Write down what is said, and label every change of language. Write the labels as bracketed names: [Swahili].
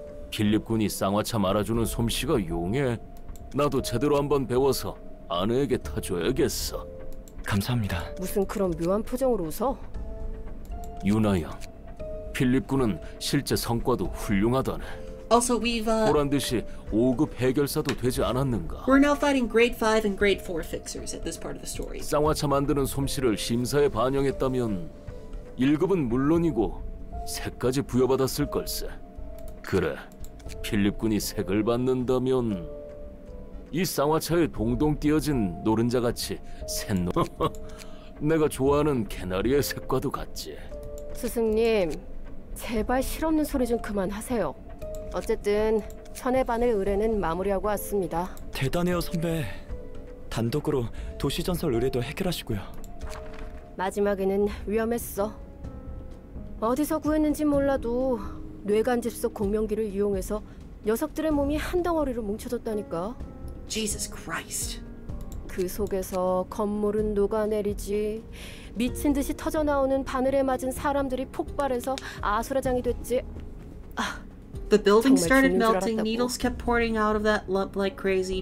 [Korean] 필립군이 쌍화차 말아주는 솜씨가 용해. 나도 제대로 한번 배워서 아내에게 타줘야겠어. 감사합니다. 무슨 그런 묘한 표정으로 웃어? 유나야, 필립군은 실제 성과도 훌륭하다네. [English] Also, we've... [Korean] 보란 듯이 5급 해결사도 되지 않았는가? [English] We're now fighting grade 5 and grade 4 fixers at this part of the story. [Korean] 쌍화차 만드는 솜씨를 심사에 반영했다면 1급은 물론이고 색까지 부여받았을 걸세. 그래, 필립군이 색을 받는다면 이 쌍화차에 동동 띄어진 노른자같이 샛노... 내가 좋아하는 캐나리의 색과도 같지. 스승님, 제발 실없는 소리 좀 그만하세요. 어쨌든 천의 반을 의뢰는 마무리하고 왔습니다. 대단해요, 선배. 단독으로 도시전설 의뢰도 해결하시고요. 마지막에는 위험했어. 어디서 구했는지 몰라도 뇌간집 속 공명기를 이용해서 녀석들의 몸이 한 덩어리로 뭉쳐졌다니까. [English] Jesus Christ. [Korean] 그 속에서 건물은 녹아내리지 미친 듯이 터져 나오는 바늘에 맞은 사람들이 폭발해서 아수라장이 됐지. 아, [English] The building started melting. Needles kept pouring out of that lump like crazy.